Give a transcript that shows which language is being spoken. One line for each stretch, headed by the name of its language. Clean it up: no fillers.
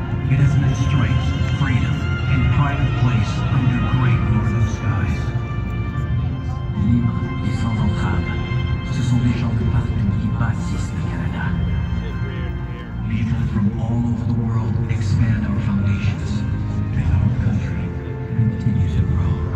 English: It has meant strength, freedom, and pride of place under great northern skies.
French: Libres et sans entrave, ce sont des gens de partout qui bâtissent le Canada.
English: People from all over the world expand our foundations, and our country continues to grow.